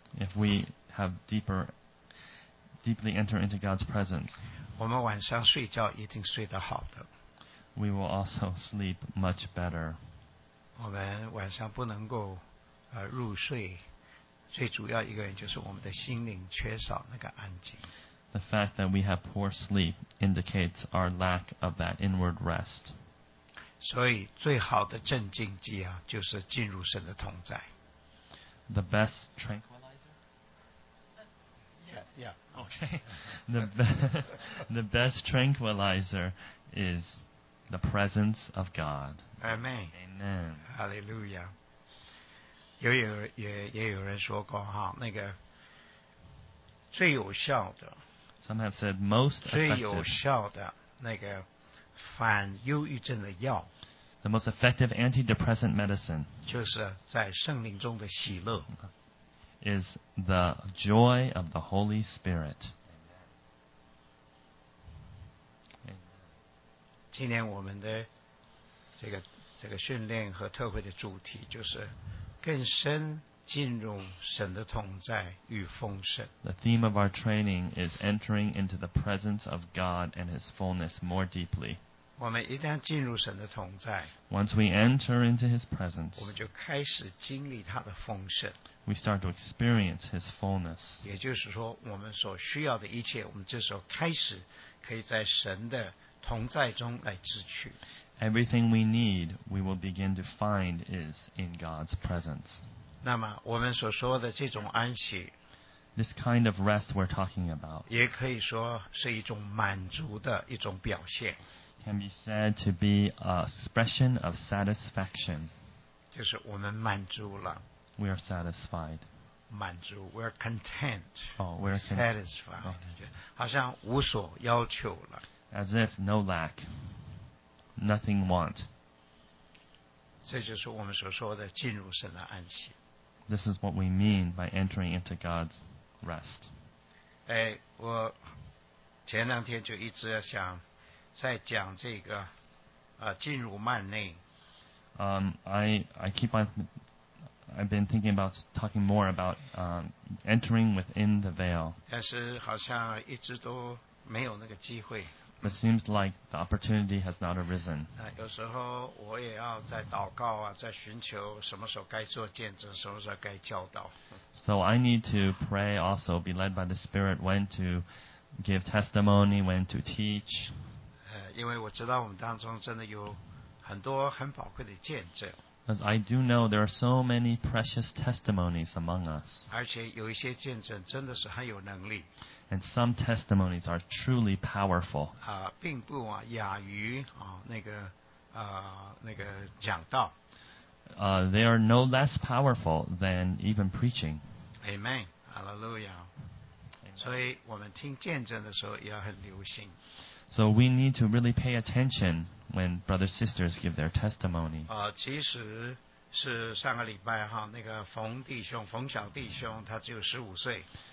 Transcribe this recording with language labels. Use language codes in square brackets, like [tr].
[en] if we have deeply enter into God's presence, [zh] 我们晚上睡觉一定睡得好的。 [en] We will also sleep much better. [zh] 我们晚上不能够入睡，最主要一个原因就是我们的心灵缺少那个安静。 [en] The fact that we have poor sleep indicates our lack of that inward rest. [zh] 所以最好的镇静剂啊，就是进入神的同在。 [en] The best tranquilizer? Yeah. Okay. The best tranquilizer is the presence of God. Amen. Amen. Hallelujah. [zh] 也有人说过哈，那个最有效的。 [en] Some have said most effective, [zh] 最有效的那个反忧郁症的药， [en] the most effective antidepressant medicine, [zh] 就是在圣灵中的喜乐， [en] is the joy of the Holy Spirit. [zh] 今年我们的这个训练和特会的主题就是更深进入神的同在与丰盛。 [en] The theme of our training is entering into the presence of God and His fullness more deeply. [zh] 我们一旦进入神的同在， [en] once we enter into His presence, [zh] 我们就开始经历他的丰盛。 [en] We start to experience His fullness. [zh] 也就是说，我们所需要的一切，我们这时候开始可以在神的同在中来支取。 [en] Everything we need, we will begin to find is in God's presence. [zh] 那么我们所说的这种安息， [en] this kind of rest we're talking about, [zh] 也可以说是一种满足的一种表现， [en] can be said to be an expression of satisfaction. [zh] 就是我们满足了， [en] we are satisfied. [zh] 满足， [en] we're content. Oh, we're satisfied. Oh. [zh] 好像无所要求了， [en] as if no lack. Nothing want. [zh] 这就是我们所说的进入神的安息。 [en] This is what we mean by entering into God's rest. [zh] 我前两天就一直想在讲这个进入幔内。 [en] I've been thinking about talking more about entering within the veil. [zh] 但是好像一直都没有那个机会。 [en] It seems like the opportunity has not arisen. [zh] 有时候我也要在祷告啊，在寻求什么时候该做见证，什么时候该教导。 [en] So I need to pray also, be led by the Spirit, when to give testimony, when to teach. [zh] 因为我知道我们当中真的有很多很宝贵的见证。 [en] Because I do know there are so many precious testimonies among us. [zh] 而且有一些见证真的是很有能力。 [en] And some testimonies are truly powerful. [zh] 并不亚于那个讲道。 [en] They are no less powerful than even preaching. Amen. Hallelujah. [zh] 所以我们听见证的时候要很留心。 [en] So we need to really pay attention when brothers and sisters give their testimonies. [zh] 其实是上个礼拜哈，那个冯弟兄，冯小弟兄，他只有15岁。